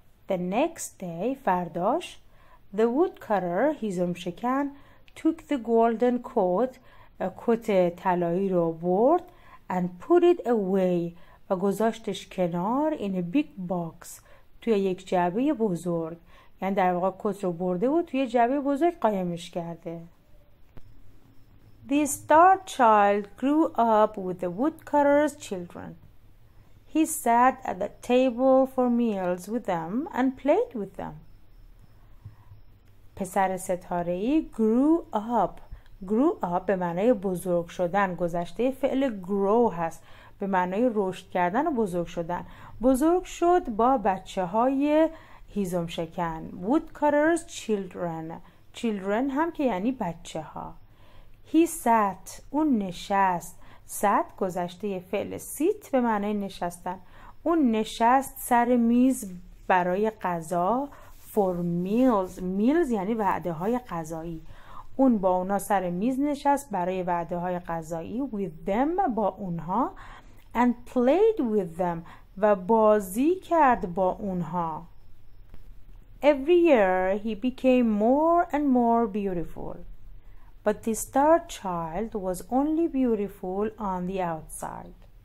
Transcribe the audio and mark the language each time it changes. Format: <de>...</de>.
<en>The next day,</en> <fa>فرداش,</fa> <en>the woodcutter,</en> <fa>هیزم شکن,</fa> <en>took the golden coat,</en> <fa>کت طلایی رو برد</fa> <en>and put it away</en> <fa>و گذاشتش کنار</fa> <en>in a big box,</en> <fa>توی یک جعبه بزرگ. یعنی در واقع کت رو برده و توی جعبه بزرگ قایمش کرده.</fa> <en>The star child grew up with the woodcutter's children. He sat at the table for meals with them and played with them.</en> <fa>پسر ستاره‌ای grew up. Grew up به معنای بزرگ شدن. گذشته فعل grow هست. به معنای رشد کردن و بزرگ شدن. بزرگ شد با بچه های هیزم شکن.</fa> <en>Woodcutter's children. Children</en> <fa>هم که یعنی بچه ها.</fa> <en>He sat.</en> <fa>اون نشست. Sat گذشته فعل sit به معنی نشستن. اون نشست سر میز برای غذا</fa> <en>for meals.</en> <fa>Meals یعنی وعده های غذایی. اون با اونا سر میز نشست برای وعده های غذایی</fa> <en>with them</en> <fa>با اونها</fa> <en>and played with them</en> <fa>و بازی کرد با اونها.</fa> <en>Every year he became more and more beautiful. But this third child was only beautiful on the outside.</en>